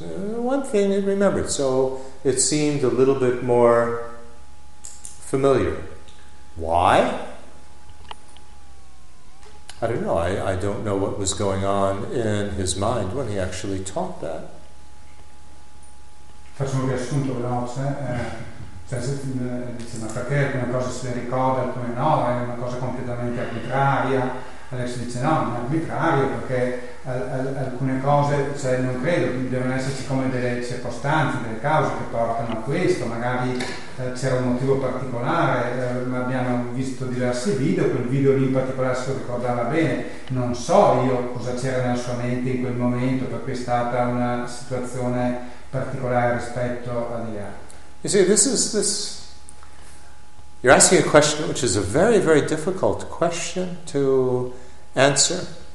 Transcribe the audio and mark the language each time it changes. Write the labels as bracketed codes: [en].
[en] One thing it remembered, so it seemed a little bit more familiar. Why? I don't know. I don't know what was going on in his mind when he actually taught that. [it] Facciamo un riassunto veloce. Cioè, ma perché alcune cose si ricorda, alcune no, è una cosa completamente arbitraria. Alex dice no, è arbitrario perché alcune cose, cioè, non credo, devono esserci come delle circostanze, delle cause che portano a questo, magari c'era un motivo particolare, abbiamo visto diversi video, quel video lì in particolare se lo ricordava bene, non so io cosa c'era nella sua mente in quel momento, per cui è stata una situazione particolare rispetto a di là. [en] You see, this is you're asking a question which is a very, very difficult question to answer.